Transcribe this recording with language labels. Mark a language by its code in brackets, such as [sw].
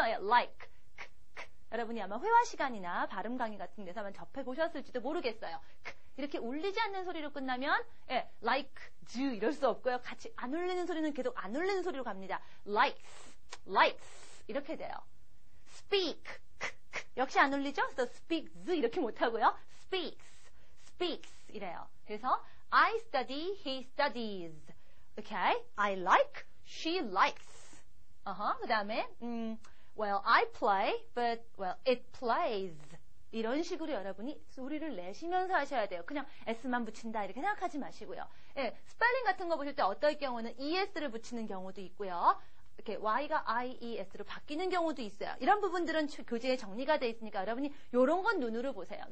[ko] like, 여러분이 아마 회화 시간이나 발음 강의 같은 데서 한번 접해보셨을지도 모르겠어요. 이렇게 울리지 않는 소리로 끝나면 예, like, do 이럴 수 없고요. 같이 안 울리는 소리는 계속 안 울리는 소리로 갑니다. likes 이렇게 돼요. speak 역시 안 울리죠? so speaks 이렇게 못하고요. speaks 이래요. [en] 그래서 I study, he studies. okay, I like, she likes. 그 다음에 well, I play, but well, it plays. [ko] 이런 식으로 여러분이 소리를 내시면서 하셔야 돼요. 그냥 S만 붙인다 이렇게 생각하지 마시고요. 예, 스펠링 같은 거 보실 때 어떨 경우는 ES를 붙이는 경우도 있고요. 이렇게 Y가 IES로 바뀌는 경우도 있어요. 이런 부분들은 교재에 정리가 되어 있으니까 여러분이 이런 건 눈으로 보세요.